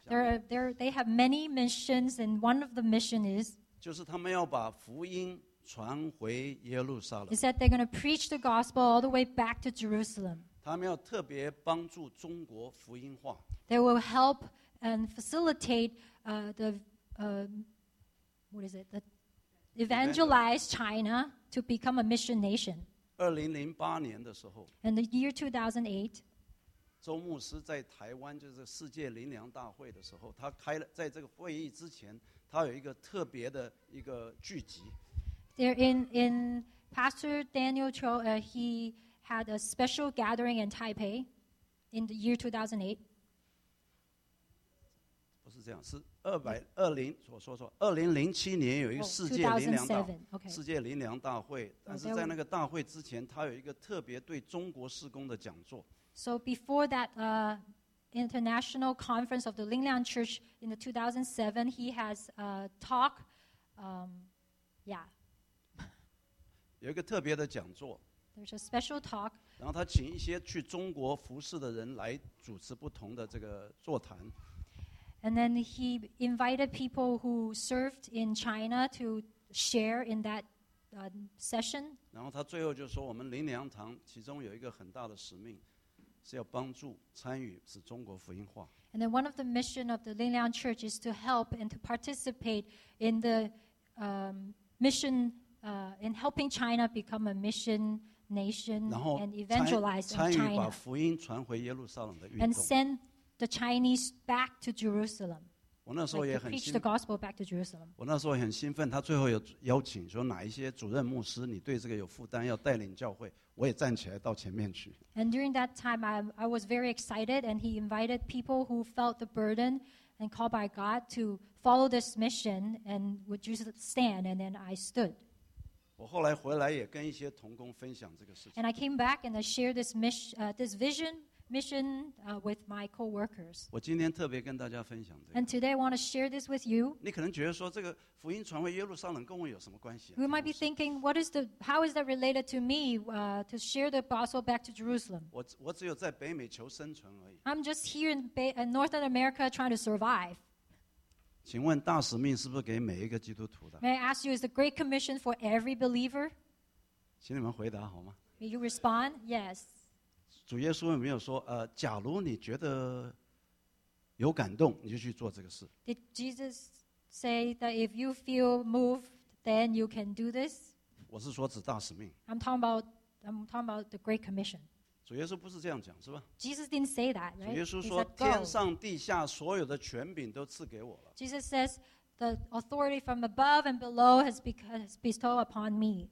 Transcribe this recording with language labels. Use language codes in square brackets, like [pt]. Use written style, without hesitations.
[en] They have many missions, and one of the missions is [zh] 就是他们要把福音传回耶路撒冷。 [en] Is that they're going to preach the gospel all the way back to Jerusalem. [zh] 他们要特别帮助中国福音化。 [en] They will help and facilitate evangelize China to become a mission nation. [zh] 2008年的时候, [en] in the year 2008, [zh] 周牧师在台湾就是世界灵粮大会的时候, 他开了在这个会议之前，他有一个特别的一个聚集。 [en] There in Pastor Daniel Cho, he had a special gathering in Taipei in the year 2008. [zh] 是这样，是二百二零所说说，二零零七年有一个世界灵粮大会， [en] oh, okay. [zh] 世界灵粮大会，但是在那个大会之前，他有一个特别对中国事工的讲座。 [en] So before that, international conference of the Linglang Church in the 2007, he has a talk. Yeah. [zh] 有一个特别的讲座。 [en] There's a special talk. [zh] 然后他请一些去中国服事的人来主持不同的这个座谈。 [en] And then he invited people who served in China to share in that session. [zh] 然后他最后就说，我们灵粮堂其中有一个很大的使命，是要帮助参与使中国福音化。 [en] And then one of the mission of the Linglang Church is to help and to participate in the mission in helping China become a mission nation and evangelize China. [zh] 参与把福音传回耶路撒冷的运动。 [en] And send the Chinese back to Jerusalem. [zh] 我那时候也很兴奋。 [en] Preach the gospel back to Jerusalem. [zh] 我那时候很兴奋，他最后有邀请说哪一些主任牧师，你对这个有负担，要带领教会。我也站起来到前面去。 [en] And during that time, I was very excited, and he invited people who felt the burden and called by God to follow this mission, and would you stand? And then I stood. [zh] 我后来回来也跟一些同工分享这个事情。 [en] And I came back and I shared this mission, this vision, mission with my coworkers. [zh] 我今天特别跟大家分享这个。 [en] And today I want to share this with you. [zh] 你可能觉得说这个福音传回耶路撒冷跟我有什么关系？ [en] You might be thinking, what is the, how is that related to me, to share the gospel back to Jerusalem? [zh] 我只有在北美求生存而已。 [en] I'm just here in Northern America trying to survive. [zh] 请问大使命是不是给每一个基督徒的？ [en] May I ask you, is the Great Commission for every believer? [zh] 请你们回答好吗？ [en] May you respond? Yes. [zh] 主耶稣有没有说，假如你觉得有感动，你就去做这个事。 [en] Did Jesus say that if you feel moved, then you can do this? [zh] 我是说指大使命。 [en] I'm talking about the Great Commission. [zh] 主耶稣不是这样讲，是吧？ [en] Jesus didn't say that, right? [zh] 主耶稣说，天上地下所有的权柄都赐给我了。 [en] Jesus says the authority from above and below has bestowed upon me.